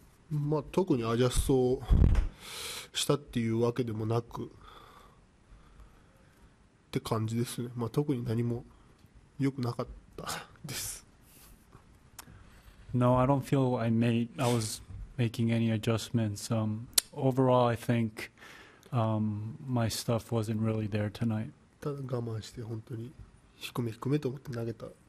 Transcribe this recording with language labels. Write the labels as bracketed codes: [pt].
[ja] まあ、特にアジャストをしたっていうわけでもなくって感じですね。まあ、特に何も良くなかったです。 [en] No, I don't feel I was making any adjustments. Overall, I think my stuff wasn't really there tonight. [ja] ただ我慢して本当に低めと思って投げた。